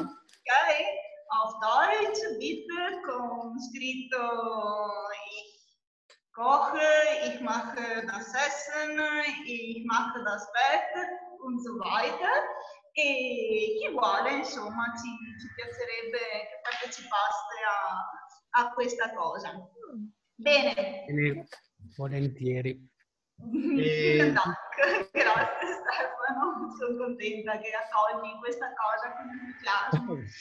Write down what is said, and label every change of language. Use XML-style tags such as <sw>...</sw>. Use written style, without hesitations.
<de>Ok? Auf Deutsch, bitte,</de> <it>con scritto...</it> <de>Koche, ich mache das Essen, ich mache das Bett und so weiter.</de> <it>E chi vuole, insomma, ci piacerebbe che partecipaste a questa cosa. Bene. Bene, volentieri. No, grazie Stefano, sono contenta che accogli questa cosa con entusiasmo.</it>